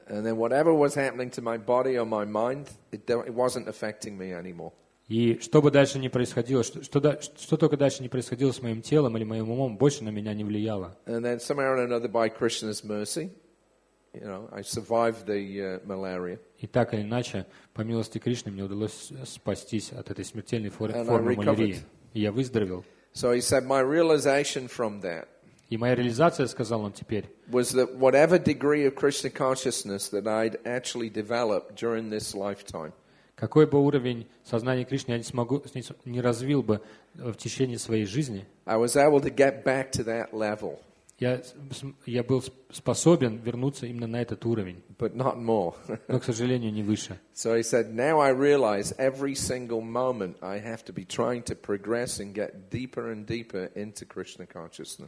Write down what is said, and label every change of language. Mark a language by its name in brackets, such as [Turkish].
[English] And then whatever was happening to my body or my mind, it wasn't affecting me anymore. [Russian] И что бы дальше ни происходило, что только дальше ни происходило с моим телом или моим умом, больше на меня не влияло. [English] And then somehow or another, by Krishna's mercy, you know, I survived the malaria. [Russian] И так или иначе, по милости Кришны, мне удалось спастись от этой смертельной формы малярии. И я выздоровел. [English] So he said, my realization from that. [Russian] И моя реализация, сказал он теперь, [English] was that whatever degree of Krishna consciousness that I'd actually developed during this lifetime. [Russian] Какой бы уровень сознания Кришны я не развил бы в течение своей жизни, я был способен вернуться именно на этот уровень. [English] But not more. [Russian] Но, к сожалению, не выше. [English] So he said, now I realize every single moment I have to be trying to progress and get deeper and deeper into Krishna consciousness.